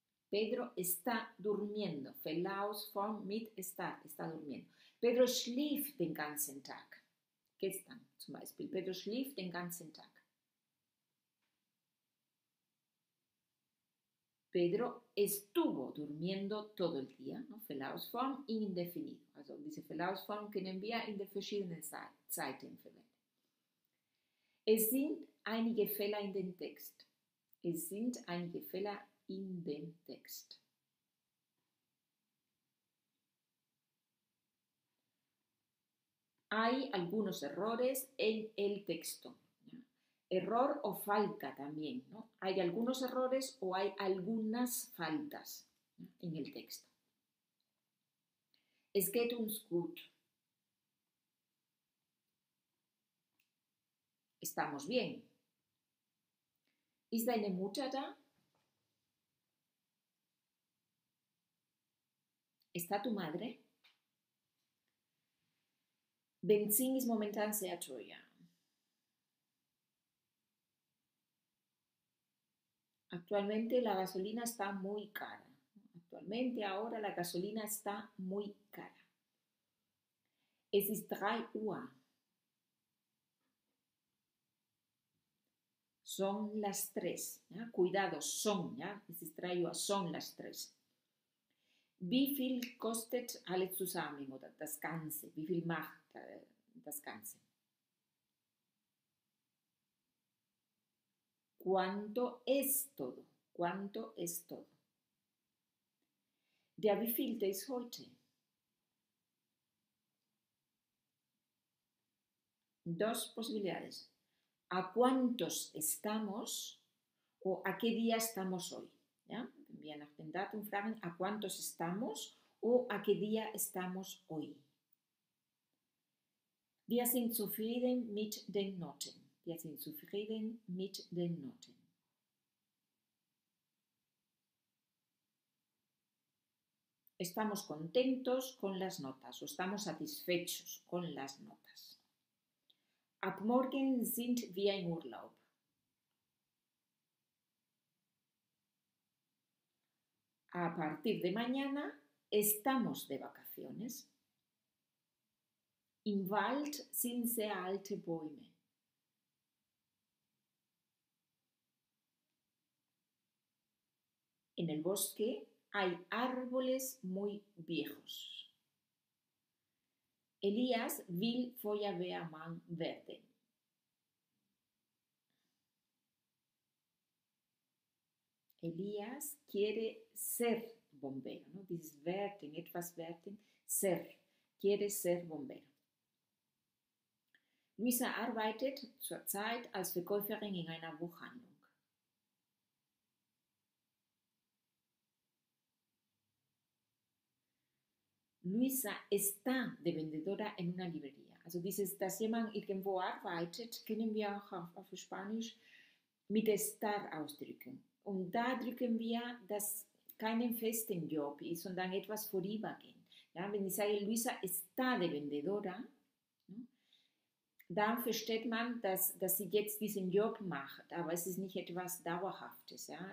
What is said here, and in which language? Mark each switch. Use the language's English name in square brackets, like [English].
[Spanish] Pedro está durmiendo. Verlaus von mit está durmiendo. [German] Pedro schlief den ganzen Tag. Gestern zum Beispiel. Pedro schlief den ganzen Tag. [Spanish] Pedro estuvo durmiendo todo el día. [German] ¿No? Verlaus von indefinido. Also diese Verlaus von können wir in den verschiedenen Zeiten verwenden. Es sind einige Fehler in dem Text. Es sind einige Fehler in dem Text. [Spanish] Hay algunos errores en el texto. Error o falta también, ¿no? Hay algunos errores o hay algunas faltas en el texto. [German] Es geht uns gut. [Spanish] Estamos bien. [German] ¿Ist deine Mutter da? [Spanish] ¿Está tu madre? [German] Benzin ist momentan sehr teuer. [Spanish] Actualmente la gasolina está muy cara. Actualmente ahora la gasolina está muy cara. [German] Es ist 3 Uhr. [Spanish] Son las 3. ¿Ya? Cuidado, son. ¿Ya? [German] Es ist 3 Uhr, [Spanish] son las 3. [German] Wie viel kostet alles zusammen oder das Ganze? Wie viel macht das Ganze? [Spanish] ¿Cuánto es todo? ¿Cuánto es todo? [German] Der wievielte ist heute? [Spanish] Dos posibilidades. ¿A cuántos estamos o a qué día estamos hoy? ¿Ya? Bien, [German] den Datum fragen, [Spanish] ¿a cuántos estamos o a qué día estamos hoy? [German] Wir sind zufrieden mit den Noten. Wir sind zufrieden mit den Noten. [Spanish] Estamos contentos con las notas o estamos satisfechos con las notas. [German] Ab morgen sind wir im Urlaub. [Spanish] A partir de mañana estamos de vacaciones. [German] Im Wald sind sehr alte Bäume. [Spanish] En el bosque hay árboles muy viejos. [German] Elías will Feuerwehrmann werden. [Spanish] Elías quiere ser bombero, ¿no? [German] Dieses werden, etwas werden, ser, [Spanish] quiere ser bombero. [German] Luisa arbeitet zurzeit als Verkäuferin in einer Buchhandlung. [Spanish] Luisa está de vendedora en una librería. [German] Also dieses, dass jemand irgendwo arbeitet, können wir auch auf Spanisch mit estar ausdrücken. Und da drücken wir, dass keinen festen Job ist, sondern etwas vorübergehend. Ja, wenn ich sage, [Spanish] Luisa está de vendedora, [German] ja, dann versteht man, dass sie jetzt diesen Job macht, aber es ist nicht etwas Dauerhaftes. Ja.